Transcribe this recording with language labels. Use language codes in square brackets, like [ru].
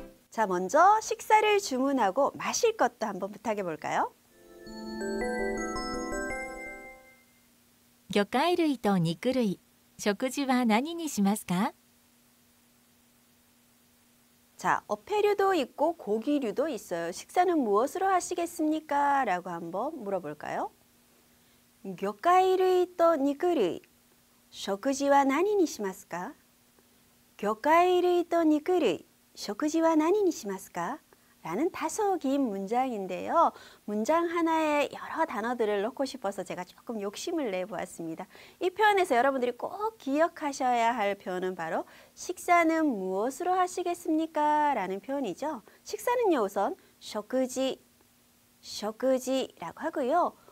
[ko] 자, 먼저 식사를 주문하고 마실 것도 한번 부탁해 볼까요? [ja] 魚介類と肉類, 食事は何にしますか? [ko] 자, 어패류도 있고 고기류도 있어요. 식사는 무엇으로 하시겠습니까? 라고 한번 물어볼까요? [ja] 魚介類と肉類, 食事は何にしますか? 魚介類と肉類, 食事は 何にしますか? [ko] 라는 다소 긴 문장인데요. 문장 하나에 여러 단어들을 넣고 싶어서 제가 조금 욕심을 내보았습니다. 이 표현에서 여러분들이 꼭 기억하셔야 할 표현은 바로 식사는 무엇으로 하시겠습니까? 라는 표현이죠. 식사는요, 우선 食事라고 하고요.